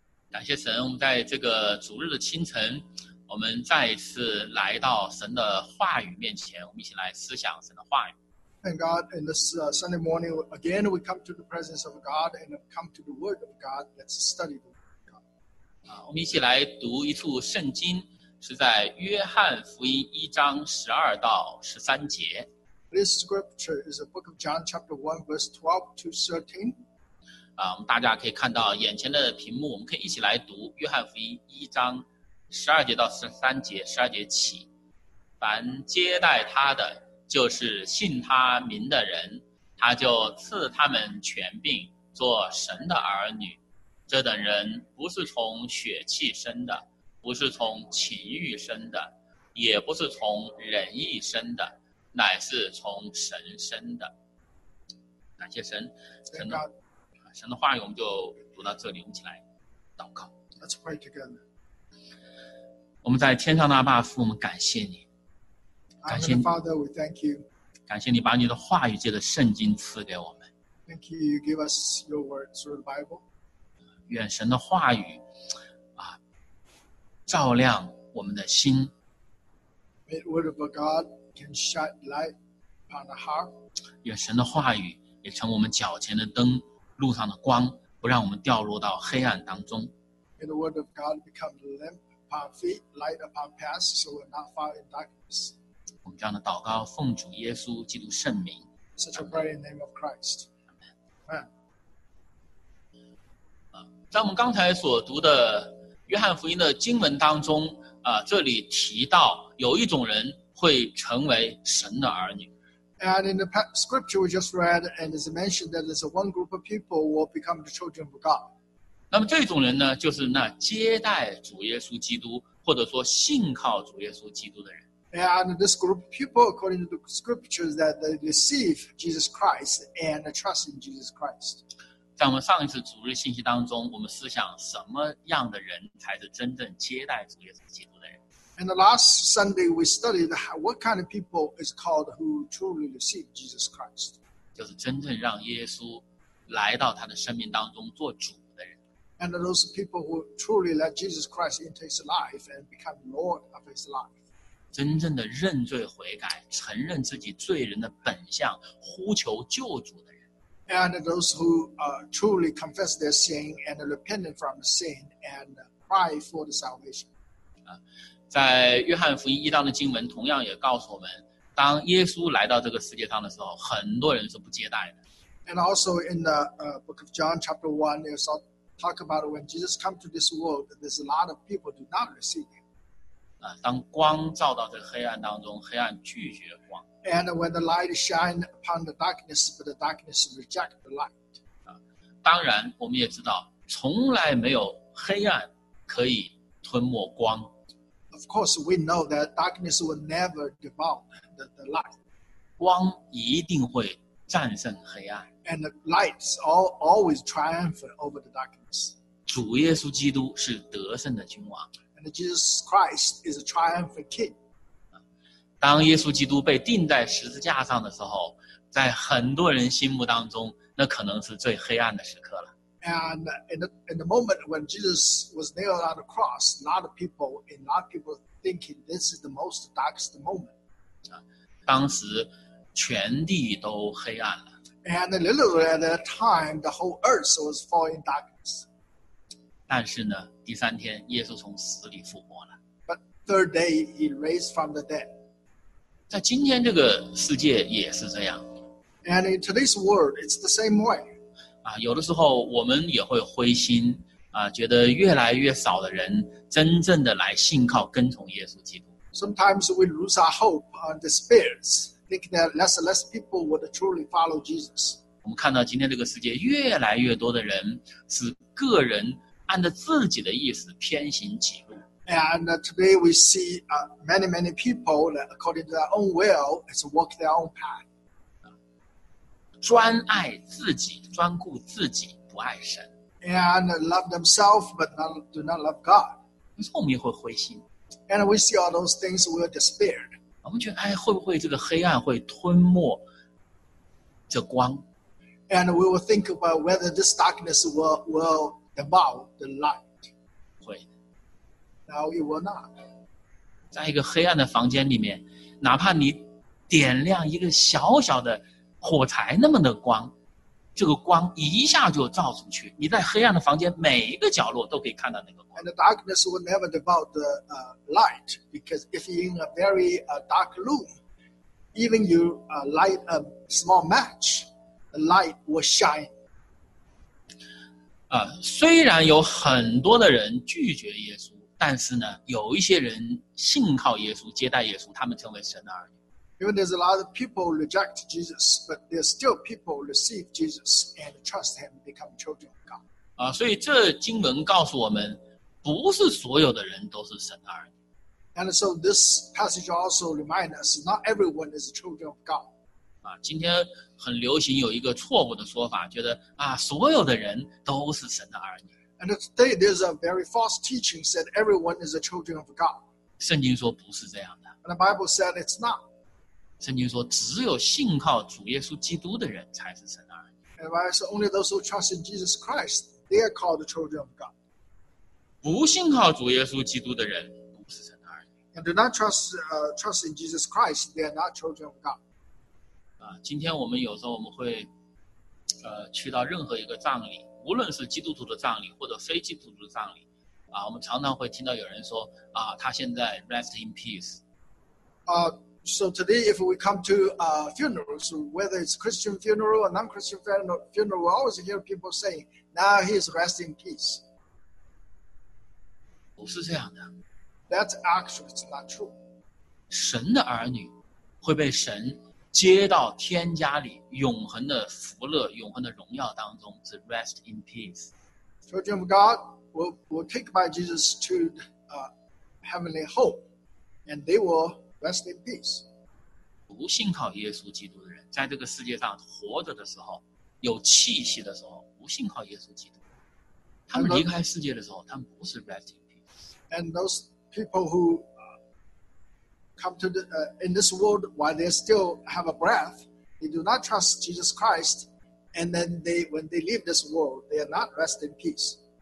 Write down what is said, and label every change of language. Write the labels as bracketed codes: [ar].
[zh] 感谢神，我们在这个主日的清晨，我们再一次来到神的话语面前，我们一起来思想神的话语。 [en] Thank God, in this Sunday morning, again we come to the presence of God and come to the Word of God. Let's study the Word of God. [zh] 我们一起来读一处圣经，是在约翰福音一章十二到十三节。 [en] This scripture is a book of John chapter 1 verse 12 to 13. [zh] 我们大家可以看到眼前的屏幕，我们可以一起来读约翰福音一章十二节到十三节，十二节起，凡接待他的，就是信他名的人，他就赐他们权柄做神的儿女。这等人不是从血气生的，不是从情欲生的，也不是从人意生的，乃是从神生的。感谢神，神的话语我们就读到这里，我们一起来祷告。 [en] Let's pray together. [zh] 我们在天上的阿爸父，我们感谢你，感谢你 [en] Father, we thank you. [zh] 感谢你把你的话语借着圣经赐给我们。 [en] Thank you, you give us your word through the Bible. [zh] 愿神的话语照亮我们的心。 [en] May the word of God can shine light upon the heart. [zh] 愿神的话语也成我们脚前的灯，路上的光，不让我们掉落到黑暗当中。 [en] May the word of God become the lamp. Our feet light up our paths, so we're not far in darkness. [zh] 我们这样的祷告，奉主耶稣基督圣名。 [en] Such a great name of Christ. Amen. [zh] 在我们刚才所读的约翰福音的经文当中，这里提到有一种人会成为神的儿女。 [en] And in the scripture we just read, and it's mentioned that there's one group of people will become the children of God. [zh] 那么这种人呢，就是那接待主耶稣基督，或者说信靠主耶稣基督的人。 [en] And this group of people, according to the scriptures, that they receive Jesus Christ and trust in Jesus Christ. [zh] 在我们上一次主日信息当中，我们思想什么样的人才是真正接待主耶稣基督的人 [en] ？And the last Sunday we studied what kind of people is called who truly receive Jesus Christ. [zh] 就是真正让耶稣来到他的生命当中做主。 [en] And those people who truly let Jesus Christ into his life and become Lord of his life. [zh] 真正的认罪悔改，承认自己罪人的本相，呼求救主的人。 [en] And those who truly confess their sin and repent from sin and cry for the salvation. [zh] 在约翰福音一章的经文同样也告诉我们，当耶稣来到这个世界上的时候，很多人是不接待的。 [en] And also in the book of John chapter 1, there's aTalk about when Jesus comes to this world, there's a lot of people do not receive him. [zh] 当光照到这黑暗当中，黑暗拒绝光。 [en] And when the light shines upon the darkness, but the darkness rejects the light. [zh] 当然，我们也知道，从来没有黑暗可以吞没光。 [en] Of course, we know that darkness will never devour the light. [zh] 光一定会战胜黑暗。 [en] And the lights always triumph over the darkness. [zh] 主耶稣基督是得胜的君王。 [en] And Jesus Christ is a triumphant king. [zh] 当耶稣基督被钉在十字架上的时候，在很多人心目当中，那可能是最黑暗的时刻了。 [en] And in the moment when Jesus was nailed on the cross, a lot of people thinking this is the most darkest moment. [zh] 当时全地都黑暗了。 [en] And literally at that time, the whole earth was falling darkness. [zh] 但是呢，第三天耶稣从死里复活了。 [en] But third day, he raised from the dead. [zh] 在今天这个世界也是这样。 [en] And in today's world, it's the same way. [zh] 啊，有的时候我们也会灰心，啊，觉得越来越少的人真正的来信靠跟从耶稣基督。 [en] Sometimes we lose our hope and despair, think that less and less people would truly follow Jesus. [zh] 我们看到今天这个世界越来越多的人是个人按着自己的意思偏行己路。 [en] And today we see many, many people that according to their own will, it's walk their own path. [zh] 专爱自己，专顾自己，不爱神。 [en] And love themselves, but do not love God. [zh] 有时候我们也会灰心。 [en] And we see all those things, we are despaired. [zh] 我们觉得，哎，会不会这个黑暗会吞没这光？ [en] And we will think about whether this darkness will devour the light. [zh] 会。 [en] Now you will not. [zh] 在一个黑暗的房间里面，哪怕你点亮一个小小的火柴那么的光，这个光一下就照出去。你在黑暗的房间每一个角落都可以看到那个光。 [en] And the darkness will never devour the light, because if you're in a very dark room, even you light a small match, the light will shine. [zh] 虽然有很多的人拒绝耶稣。但是呢，有一些人信靠耶稣，接待耶稣，他们成为神的儿女。 [en] Even there's a lot of people reject Jesus, but there's still people receive Jesus and trust him, become children of God. [zh] 所以这经文告诉我们，不是所有的人都是神的儿女。 [en] And so this passage also reminds us, not everyone is children of God. [zh] 今天很流行有一个错误的说法，觉得所有的人都是神的儿女。 [en] And today there's a very false teaching that everyone is a children of God. [zh] 圣经说不是这样的。 [en] And the Bible said it's not. [zh] 圣经说只有信靠主耶稣基督的人才是神的儿女。 [en] And the Bible said only those who trust in Jesus Christ, they are called the children of God. [zh] 不信靠主耶稣基督的人不是神的儿女。 [en] And do not trust in Jesus Christ, they are not children of God. [zh] 今天我们有时候我们会去到任何一个葬礼。无论是基督徒的葬礼或者非基督徒的葬礼，我们常常会听到有人说，他现在 [en] rest in peace。 So today, if we come to funerals, whether it's Christian funeral or non-Christian funeral, we always hear people saying, "Now he is resting in peace." [zh] 不是这样的。 [en] That's actually it's not true. [zh] 神的儿女会被神。接到天家里永恒的福乐永恒的荣耀当中是 [en] rest in peace. Children of God will take by Jesus to heavenly hope and they will rest in peace. [zh] 不信靠耶稣基督的人在这个世界上活着的时候有气息的时候不信靠耶稣基督。他们离开世界的时候他们不是 [en] rest in peace. And those people whocome to the, in this world while they still have a breath, they do not trust Jesus Christ, and then they, when they leave this world, they are not rest in peace.